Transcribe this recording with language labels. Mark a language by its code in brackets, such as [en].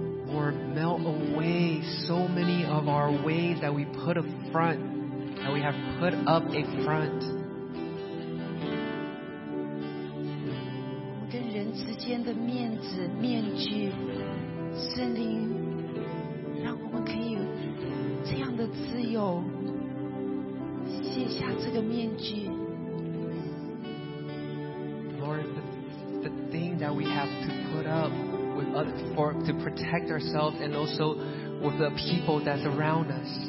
[en] Lord, melt away so many of our ways that we put a front, that we have put up a front. [zh] 我跟人之间的面子面具，圣灵，让我们可以这样的自由，卸下这个面具。 [en] Lord, the thing that we have to put up. With others, for, to protect ourselves and also with the people that's around us.